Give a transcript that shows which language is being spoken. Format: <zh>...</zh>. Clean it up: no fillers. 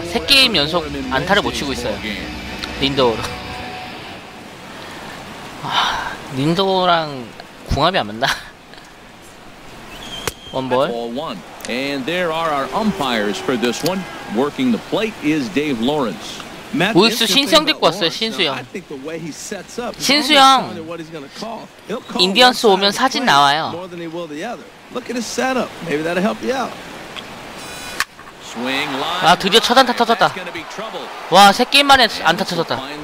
<ko>3게임 연속 안타를 못 치고 있어요. 린도어로 린도어랑 궁합이 안 맞나? 원볼.</ko> <en>And there are our umpires for this one. Working the plate is Dave Lawrence.</en> <ko>우익수 신수영 데리고 왔어요. 신수영. 신수영. 인디언스 오면 사진 나와요.</ko> <en>Look at his setup. Maybe that'll help you out.</en> <ko>아 드디어 첫 안타 터졌다. 와 세 게임 만에 안타 터졌다.</ko>